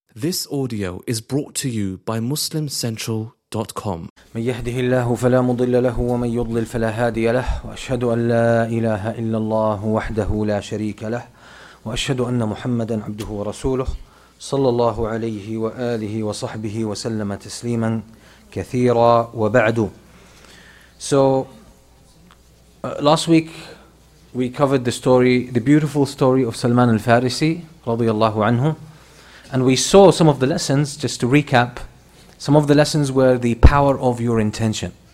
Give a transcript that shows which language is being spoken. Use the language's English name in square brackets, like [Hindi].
[English] This audio is brought to you by MuslimCentral.com. [Arabic] من يهده الله فلا مضل له ومن يضلل فلا هادي له وأشهد أن لا إله إلا الله وحده لا شريك له وأشهد أن محمدا عبده ورسوله صلى الله عليه وآله وصحبه وسلم تسليما كثيرا وبعد. [English] So last week we covered the beautiful story of Salman al-Farisi رضي الله عنه. And we saw some of the lessons, just to recap, some of the lessons were the power of your intention.